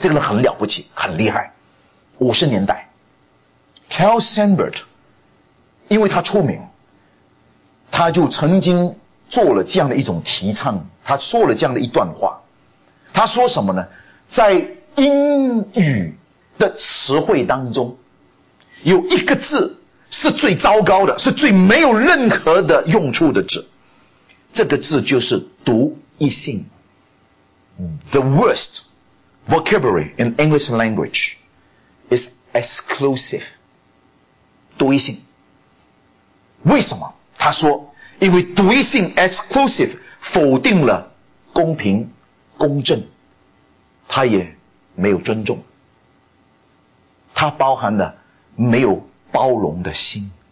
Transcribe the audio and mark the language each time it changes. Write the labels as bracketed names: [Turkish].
[Chinese] 这个人很了不起，很厉害。50年代 Carl Sandburg 因为他出名，他就曾经做了这样的一种提倡，他说了这样的一段话。他说什么呢？在英语的词汇当中，有一个字是最糟糕的，是最没有任何的用处的字。这个字就是独一性。 [English] The worst vocabulary in English language is exclusive. [Chinese] 独一性。为什么？他说因为独一性 exclusive 否定了公平公正，它也没有尊重，它包含了没有包容的心。